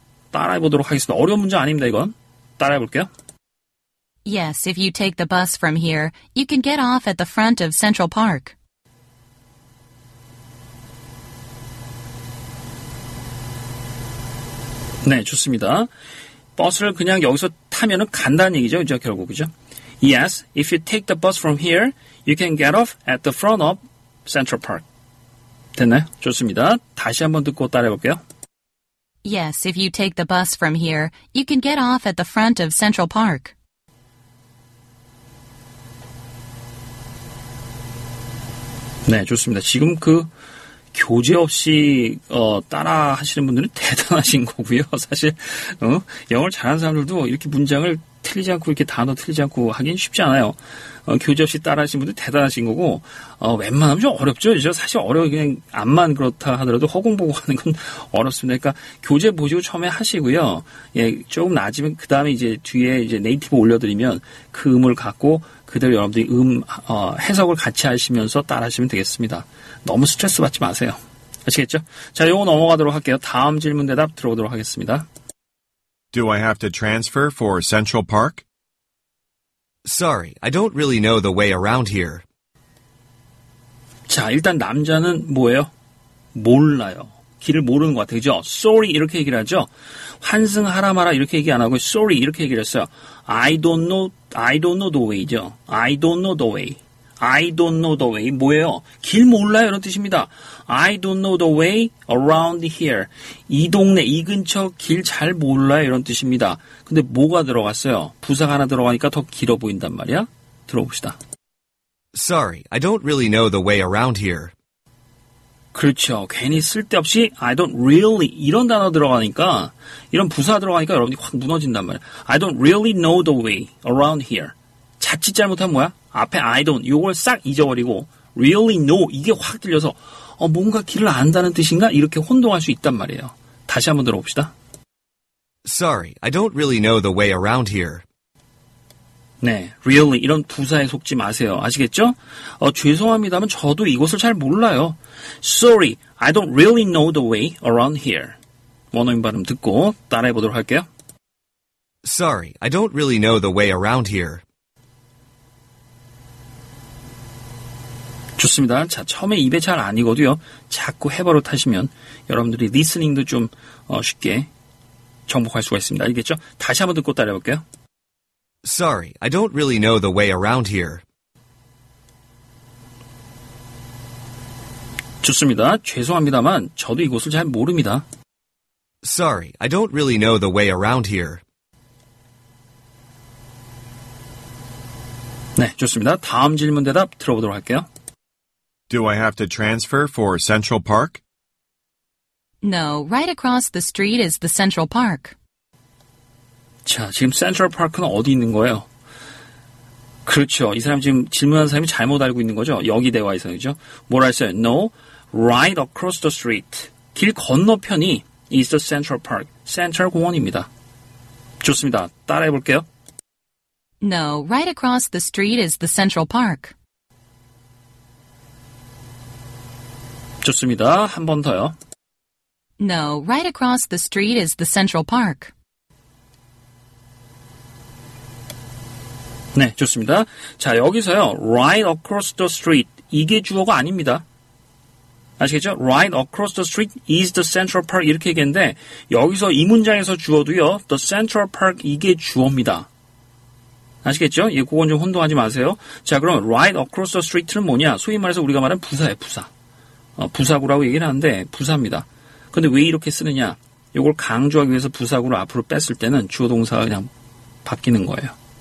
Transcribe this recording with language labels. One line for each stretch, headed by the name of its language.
Korean: 따라해 보도록 하겠습니다. 어려운 문제 아닙니다, 이건. 따라해 볼게요.
English: Yes, if you take the bus from here, you can get off at the front of Central Park.
Korean: 네, 좋습니다. 버스를 그냥 여기서 타면은 간다는 얘기죠, 이제 결국, 그죠?
English: Yes, if you take the bus from here, you can get off at the front of Central Park.
Korean: 됐나요? 좋습니다. 다시 한번 듣고 따라해 볼게요.
English: Yes, if you take the bus from here, you can get off at the front of Central Park.
Korean: 네, 좋습니다. 지금 그 교재 없이 따라 하시는 분들은 대단하신 거고요. 사실 영어를 잘하는 사람들도 이렇게 문장을 틀리지 않고 이렇게 단어 틀리지 않고 하긴 쉽지 않아요. 교재 없이 따라하신 분들 대단하신 거고 웬만하면 좀 어렵죠. 그렇죠? 사실 어려워요. 그냥 암만 그렇다 하더라도 허공 보고 하는 건 어렵습니다. 그러니까 교재 보시고 처음에 하시고요. 예, 조금 나아지면 그다음에 이제 뒤에 이제 네이티브 올려드리면 그 음을 갖고 그대로 여러분들이 해석을 같이 하시면서 따라하시면 되겠습니다. 너무 스트레스 받지 마세요. 아시겠죠? 자, 요거 넘어가도록 할게요. 다음 질문 대답 들어오도록 하겠습니다.
English: Do I have to transfer for Central Park? Sorry, I don't really know the way around here.
Korean: 자, 일단 남자는 뭐예요? 몰라요. 길을 모르는 것 같아요. 그렇죠? Sorry 이렇게 얘기를 하죠. 환승하라 마라 이렇게 얘기 안 하고 Sorry 이렇게 얘기를 했어요.
English: I don't know the way죠. I don't know the way. I don't know the way.
Korean: 뭐예요? 길 몰라요. 이런 뜻입니다.
English: I don't know the way around here.
Korean: 이 동네, 이 근처 길 잘 몰라요. 이런 뜻입니다. 근데 뭐가 들어갔어요? 부사가 하나 들어가니까 더 길어 보인단 말이야? 들어봅시다.
English: Sorry, I don't really know the way around here.
Korean: 그렇죠. 괜히 쓸데없이
English: I don't really
Korean: 이런 단어 들어가니까 이런 부사 들어가니까 여러분이 확 무너진단 말이야.
English: I don't really know the way around here.
Korean: 자칫 잘못하면 뭐야? 앞에 I don't 요걸 싹 잊어버리고 really know 이게 확 들려서 뭔가 길을 안다는 뜻인가? 이렇게 혼동할 수 있단 말이에요. 다시 한번 들어봅시다.
English: Sorry, I don't really know the way around here.
Korean: 네, really 이런 부사에 속지 마세요. 아시겠죠? 죄송합니다만 저도 이곳을 잘 몰라요.
English: Sorry, I don't really know the way around here.
Korean: 원어민 발음 듣고 따라해 보도록 할게요.
English: Sorry, I don't really know the way around here.
Korean: 좋습니다. 자, 처음에 입에 잘 안 익어도요. 자꾸 해버릇 하시면 여러분들이 리스닝도 좀 쉽게 정복할 수가 있습니다. 알겠죠? 다시 한번 듣고 따라해 볼게요.
English: Sorry, I don't really know the way around here.
Korean: 좋습니다. 죄송합니다만 저도 이곳을 잘 모릅니다.
English: Sorry, I don't really know the way around here.
Korean: 네, 좋습니다. 다음 질문 대답 들어보도록 할게요.
English: Do I have to transfer for Central Park? No, right across the street is the Central Park.
Korean: 자, 지금 Central Park는 어디 있는 거예요? 그렇죠. 이 사람 지금 질문한 사람이 잘못 알고 있는 거죠. 여기 대화에서 그죠? 뭐라 했어요?
English: No, right across the street.
Korean: 길 건너편이 is the Central Park. Central 공원입니다. 좋습니다. 따라해 볼게요.
English: No, right across the street is the Central Park.
Korean: 좋습니다. 한 번 더요.
English: No, right across the street is the Central Park.
Korean: 네, 좋습니다. 자, 여기서요.
English: Right across the street.
Korean: 이게 주어가 아닙니다. 아시겠죠?
English: Right across the street is the Central Park.
Korean: 이렇게 얘기했는데 여기서 이 문장에서 주어도요. The Central Park 이게 주어입니다. 아시겠죠? 예, 그건 좀 혼동하지 마세요. 자, 그럼 right across the street는 뭐냐? 소위 말해서 우리가 말하는 부사예요, 부사. 부사구라고 얘기를 하는데 부사입니다. 그런데 왜 이렇게 쓰느냐? 이걸 강조하기 위해서 부사구를 앞으로 뺐을 때는 주어 동사가 그냥 바뀌는 거예요.